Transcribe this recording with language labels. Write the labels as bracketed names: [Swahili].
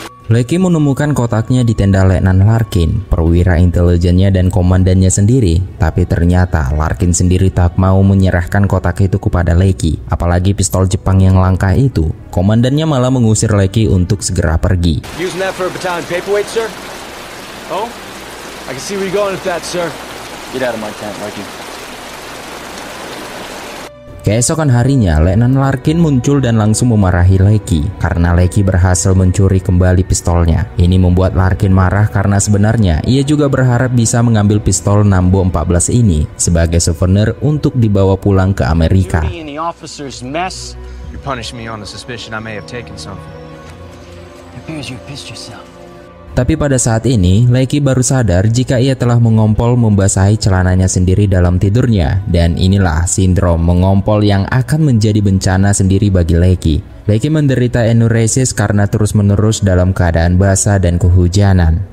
[Indonesian] Lecky menemukan kotaknya di tenda Letnan Larkin, perwira intelijennya dan komandannya sendiri, tapi ternyata Larkin sendiri tak mau menyerahkan kotak itu kepada Lecky, apalagi pistol Jepang yang langka itu. Komandannya malah mengusir Lecky untuk segera pergi. [English] Using that for a battalion paperweight, sir? Oh? I can see where you're going with that, sir. Get out of my tent, Larkin. [Indonesian] Keesokan harinya, Letnan Larkin muncul dan langsung memarahi Lecky karena Lecky berhasil mencuri kembali pistolnya. Ini membuat Larkin marah karena sebenarnya ia juga berharap bisa mengambil pistol Nambo 14 ini sebagai souvenir untuk dibawa pulang ke Amerika. [English] You punish me on the suspicion I may have taken something. [Indonesian] Tapi pada saat ini, Lakey baru sadar jika ia telah mengompol membasahi celananya sendiri dalam tidurnya. Dan inilah sindrom mengompol yang akan menjadi bencana sendiri bagi Lakey. Lakey menderita enuresis karena terus-menerus dalam keadaan basah dan kehujanan.